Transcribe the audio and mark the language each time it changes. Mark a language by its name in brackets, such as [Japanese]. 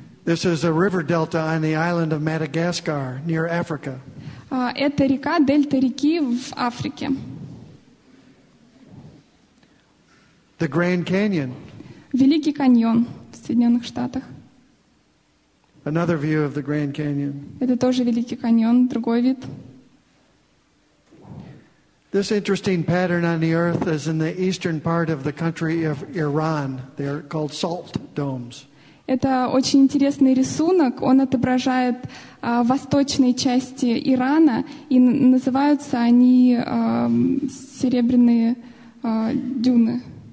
[English] This is a river delta on the island of Madagascar near Africa. [Russian] Это река, дельта реки в Африке. [English] The Grand Canyon. [Russian] Великий каньон в Соединенных Штатах. [English] Another view of the Grand Canyon. [Russian] Это тоже Великий каньон, другой вид. [English] This interesting pattern on the earth is in the eastern part of the country of Iran. They are called salt domes. [Russian] Это очень интересный рисунок. Он отображает восточные части Ирана, и называются они серебряные дюны.